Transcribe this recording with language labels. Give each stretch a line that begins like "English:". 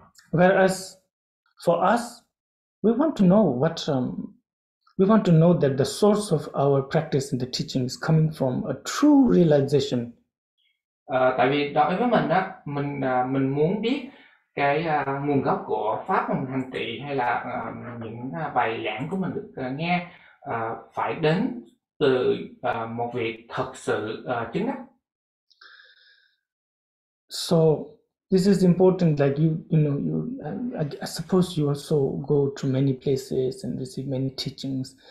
English: Whereas for us, we want to know what we want to know that the source of our practice and the teaching is coming from a true realization.
Vietnamese: Tại vì đối với mình đó, mình muốn biết cái nguồn gốc của pháp mình hành trì hay là những bài giảng của mình được nghe phải đến từ một vị thật sự chứng đắc.
English: So this is important. Like you know, I suppose you also go to many places and receive many teachings.